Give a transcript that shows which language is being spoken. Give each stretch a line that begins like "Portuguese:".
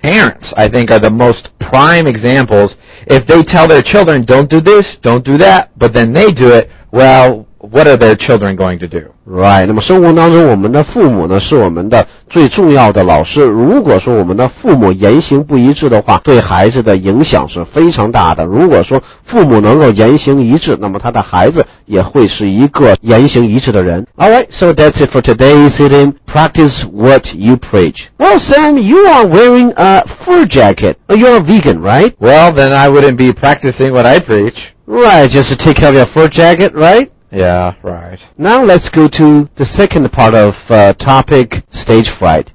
English: Parents I think are the most prime examples. If they tell their children don't do this don't do that but then they do it, well what are their children going to do?
Chinese: Right， 那么生活当中我们的父母呢是我们的最重要的老师，如果说我们的父母言行不一致的话对孩子的影响是非常大的。如果说父母能够言行一致，那么他的孩子也会是一个言行一致的人。
English: Alright, so that's it for today's idiom. Practice what you preach. Well, Sam, you are wearing a fur jacket. You're a vegan, right? Well, then I wouldn't be practicing what I preach. Right, just to take care of your fur jacket, right? Yeah, right. Now let's go to the second part of topic, stage fright.